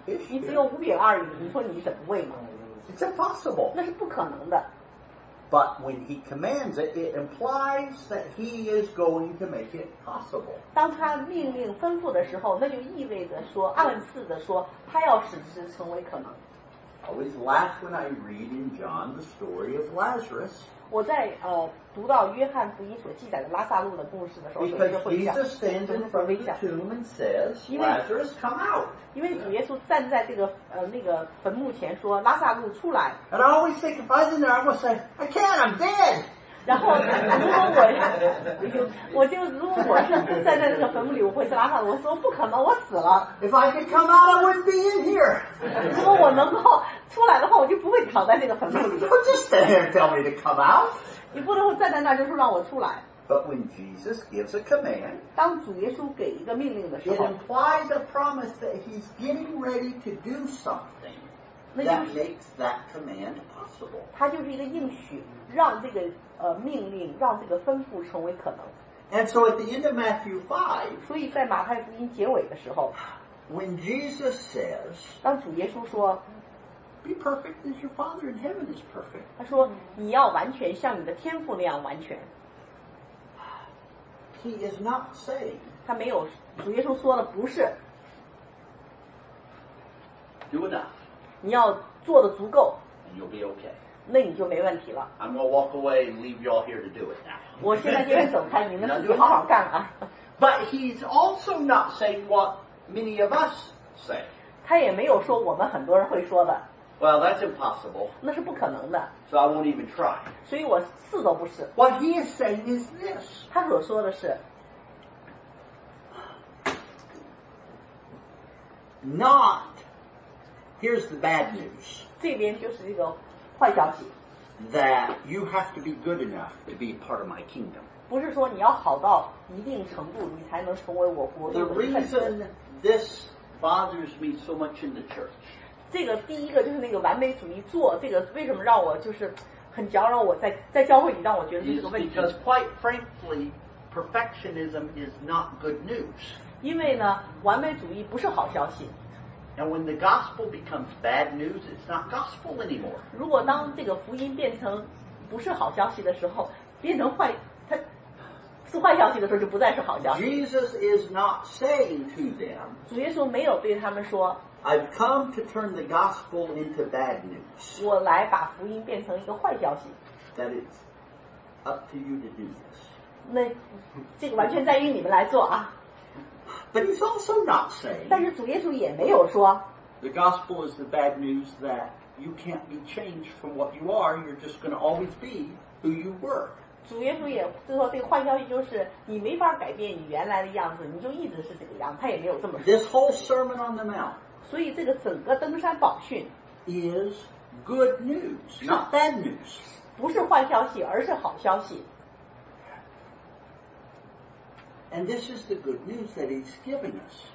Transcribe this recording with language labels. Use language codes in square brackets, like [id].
[zh] 你只有五饼二鱼，你说你怎么喂吗 [en] ？It's impossible. [zh] 那是不可能的。 [en] But when he commands it, it implies that he is going to make it possible. [zh] 当他命令吩咐的时候，那就意味着说，暗示的说，他要使之成为可能。 [en] I always laugh when I read in John the story of Lazarus. [zh] 我在读到约翰福音所记载的拉萨路的故事的时候，我就会想， [en] Because Jesus stands in front of the tomb and says, "Lazarus, come out." [zh] 因为主耶稣站在这个那个坟墓前说，拉萨路出来。 [en] And I always think if I was in there, I would say, "I can't, I'm dead." [zh] 然后如果我是在那个坟墓里，我会拉上，我说不可能，我死了。 [en] If I could come out, I wouldn't be in here. [zh] 如果我能够出来的话，我就不会躺在那个坟墓里。 [en] Don't just stand there and tell me to come out. [zh] 你不能站在那就说让我出来。 [en] But when Jesus gives a command, [zh] 当主耶稣给一个命令的时候， [en] it implies a promise that he's getting ready to do something that makes that command possible. [zh] 它就是一个应许，让这个命令，让这个吩咐成为可能。 [en] And so at the end of Matthew 5, [zh] 所以在马太福音结尾的时候， [en] when Jesus says, [zh] 当主耶稣说， [en] be perfect as your Father in heaven is perfect. [zh] 他说你要完全像你的天父那样完全。 [en] He is not saying. [zh] 他没有，主耶稣说的不是。 [en] Do enough. [zh] 你要做的足够。 [en] And you'll be okay. [zh] 那你就没问题了。 [en] I'm going to walk away and leave you all here to do it now. [zh] 我现在就要走开，你们自己好好干啊。 [en] But he's also not saying what many of us say. [zh] 他也没有说我们很多人会说的。 [en] Well, that's impossible. [zh] 那是不可能的。 [en] So I won't even try. [zh] 所以我试都不试。 [en] What he is saying is this. [zh] 他所说的是， [en] not. Here's the bad news. [zh] 这边就是一个坏消息。 [en] That you have to be good enough to be part of my kingdom. [zh] 不是说你要好到一定程度，你才能成为我国的。 [en] The reason this bothers me so much in the church. [zh] 这个第一个就是那个完美主义做，这个为什么让我就是很搅扰我在教会里让我觉得是这个问题。 [en] It's because quite frankly, perfectionism is not good news. [zh] 因为呢，完美主义不是好消息。 [en] And when the gospel becomes bad news, it's not gospel anymore. [zh] 如果当这个福音变成不是好消息的时候，变成坏，它是坏消息的时候，就不再是好消息。 [en] Jesus is not saying to them. [zh] 主耶稣没有对他们说。 [en] I've come to turn the gospel into bad news. [zh] 我来把福音变成一个坏消息。 [en] That it's up to you to do this. [zh] 那这个完全在于你们来做啊。 [en] But he's also not saying. [zh] 但是主耶稣也没有说。 [en] The gospel is the bad news that you can't be changed from what you are. You're just going to always be who you were. [zh] 主耶稣也就说这个坏消息就是你没法改变你原来的样子，你就一直是这个样。他也没有这么说。 [en] This whole sermon on the mount. [zh] 所以这个整个登山宝训 [en] is good news, not bad news. [zh] 不是坏消息，而是好消息。 [en] And this is the good news that he's giving us.